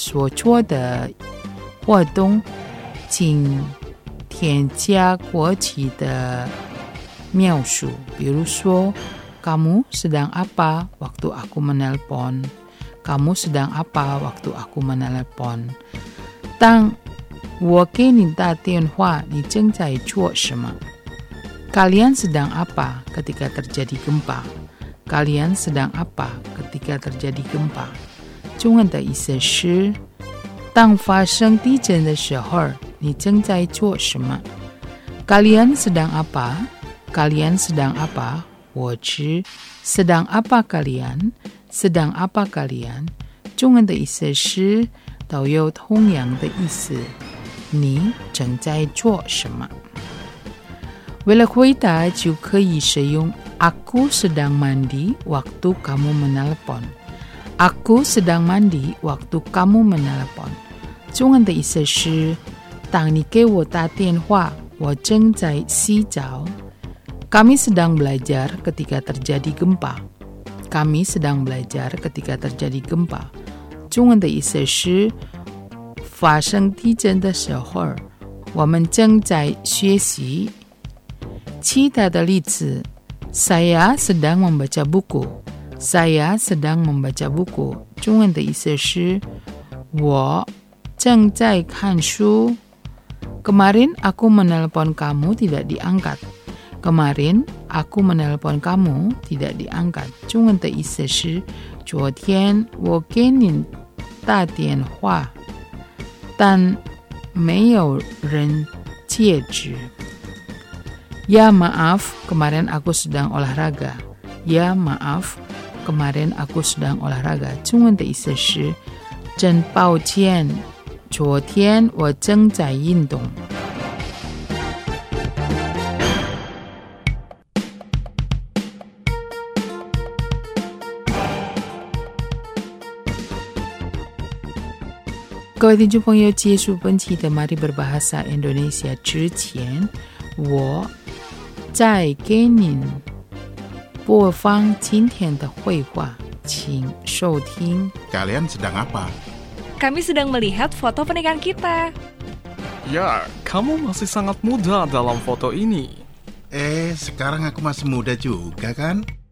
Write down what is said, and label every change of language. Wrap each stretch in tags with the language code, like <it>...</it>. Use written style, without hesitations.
<zh>如果您向新闻某人过去所做的活动, 请添加过去的描述, 比如说,</zh> <id>Kamu sedang apa waktu aku menelpon? Kamu sedang apa waktu aku menelpon?</id> <zh>当我给您打电话, 你正在做什么?</zh> <id>Kalian sedang apa ketika terjadi gempa? Kalian sedang apa ketika terjadi gempa?</id> <zh>中文的意思是, 当发生地震的时候, 你正在做什么?</zh> <id>Kalian sedang apa? Kalian sedang apa?</id> <zh>我知,</zh> <id>sedang apa kalian? Sedang apa kalian?</id> <zh>中文的意思是, 都有同样的意思, 你正在做什么? 为了回答就可以使用</zh> <id>Aku sedang mandi waktu kamu menelpon. Aku sedang mandi waktu kamu menelpon.</id> <zh>中文的意思是 当你给我打电话, 我正在洗澡.</zh> <id>Kami sedang belajar ketika terjadi gempa. Kami sedang belajar ketika terjadi gempa.</id> <zh>中文的意思是 发生地震的时候, 我们正在学习. 其他的例子,</zh> <id>saya sedang membaca buku. Saya sedang membaca buku.</id> <zh>中文的意思是, 我正在看书.</zh> <id>Kemarin aku menelpon kamu tidak diangkat. Kemarin aku menelpon kamu tidak diangkat.</id> <zh>中文的意思是, 昨天我给你打电话, 但没有人接止.</zh> <id>Ya maaf, kemarin aku sedang olahraga. Ya maaf, kemarin aku sedang olahraga.</id> <zh>中文的意思是 真抱歉, 昨天我正在运动. Kau tinju pengyo jesu benci temari</zh> <id>berbahasa Indonesia</id> <zh>之前, 我 再给您播放今天的绘画，请收听。</zh> <id>Kalian sedang apa? Kami sedang melihat foto pernikahan kita. Ya, kamu masih sangat muda dalam foto ini. Sekarang aku masih muda juga kan?</id>